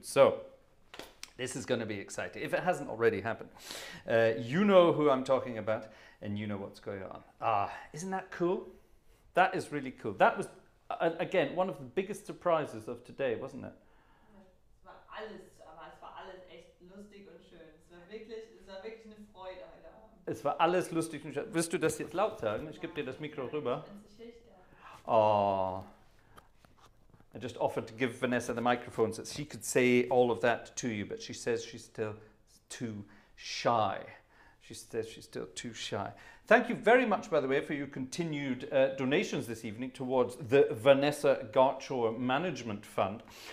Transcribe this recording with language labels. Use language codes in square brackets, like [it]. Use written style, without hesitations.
[en] So this is going to be exciting. If it hasn't already happened, you know who I'm talking about. And you know what's going on. Ah, isn't that cool? That is really cool. That was, again, one of the biggest surprises of today, wasn't it? [de] Es war alles lustig und schön. Es war wirklich eine Freude heute. Es war alles lustig und schön. Willst du das jetzt laut sagen? Ich gebe dir das Mikro rüber. Oh. [en] I just offered to give Vanessa the microphone so she could say all of that to you, but she says she's still too shy. She says she's still too shy. Thank you very much, by the way, for your continued donations this evening towards the Vanessa Gartshore Management Fund.